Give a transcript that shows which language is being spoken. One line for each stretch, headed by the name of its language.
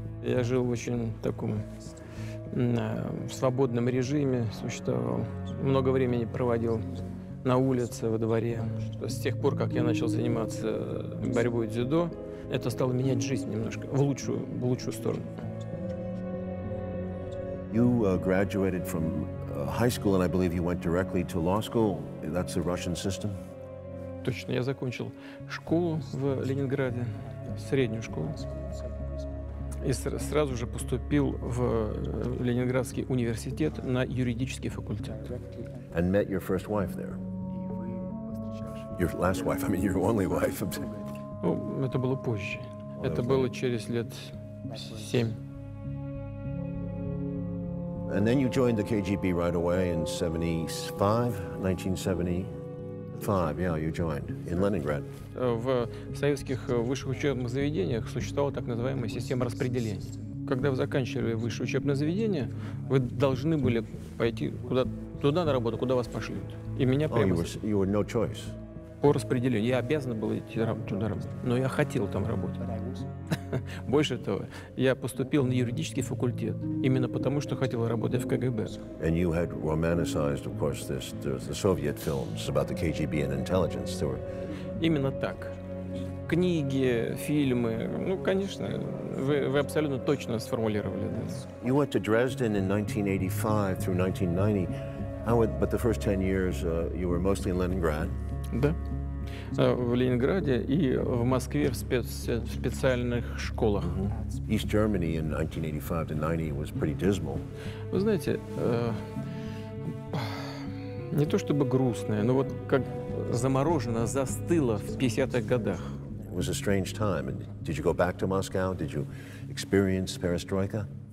Russian: Я жил в очень таком в свободном режиме, существовал. Много времени проводил на улице, во дворе. С тех пор, как я начал заниматься борьбой дзюдо, это стало менять жизнь немножко в лучшую сторону.
English: You graduated from high school, and I believe you went directly to law school. That's the Russian system.
Russian: Точно, я закончил школу в Ленинграде, среднюю школу, и сразу же поступил в Ленинградский университет на юридический факультет.
English: And met your first wife there. Your last wife, I mean, your only wife.
Russian: Ну, это было позже. Это было через лет 7.
English: And then you joined the KGB right away in 1975. Yeah, you joined in Leningrad.
Russian: В советских высших учебных заведениях существовала так называемая система распределения. Когда вы заканчивали высшее учебное заведение, вы должны были пойти туда на работу, куда вас пошлют. И меня прямо.
English: You were no choice.
Russian: По распределению. Я обязан был идти туда работать, но я хотел там работать. Больше того, я поступил на юридический факультет именно потому, что хотел работать в КГБ.
English: And you had romanticized, of course, the Soviet films about the KGB and intelligence. There were...
Russian: Именно так. Книги, фильмы, ну, конечно, вы абсолютно точно сформулировали. Да.
English: You went to Dresden in 1985 through 1990, but the first 10 years you were mostly in Leningrad.
Russian: Да. В Ленинграде и в Москве в специальных школах.
English: East Germany in 1985 to 90 was pretty dismal.
Russian: Вы знаете, не то чтобы грустное, но вот как заморожено, застыло в 50-х годах.
English: It was a strange time. And did you go back to Moscow? Did you experience perestroika?